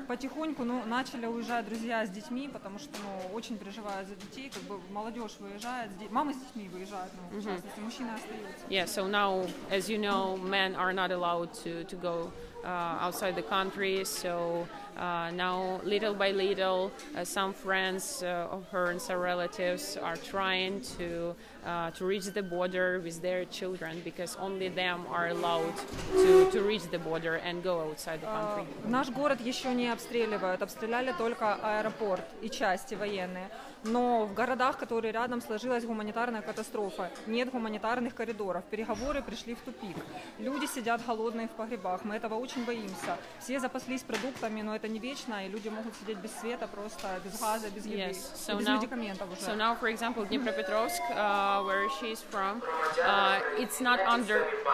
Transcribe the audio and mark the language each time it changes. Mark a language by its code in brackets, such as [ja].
[ru] Да, потихоньку, ну, начали уезжать друзья с детьми, потому что, ну, очень переживают за детей, как бы молодежь выезжает, мамы с детьми выезжают, ну, mm-hmm. в частности, мужчины остаются. [en] Yeah, so now, as you know, men are not allowed to go outside the country, so now, little by little, some friends of her and some relatives are trying to reach the border with their children, because only them are allowed to reach the border and go outside the country. [ru] Наш город еще не обстреливают, обстреляли только аэропорт и части военные. Но в городах, которые рядом, сложилась гуманитарная катастрофа. Нет гуманитарных коридоров. Переговоры пришли в тупик. Люди сидят голодные в погребах. Мы этого очень боимся. Все запаслись продуктами, но это не вечно, и люди могут сидеть без света, просто без газа, без еды, [en] yes. So [ru] без [en] now, [ru] медикаментов уже. [en] So now, for example, Dnipropetrovsk, where she is from, it's not under...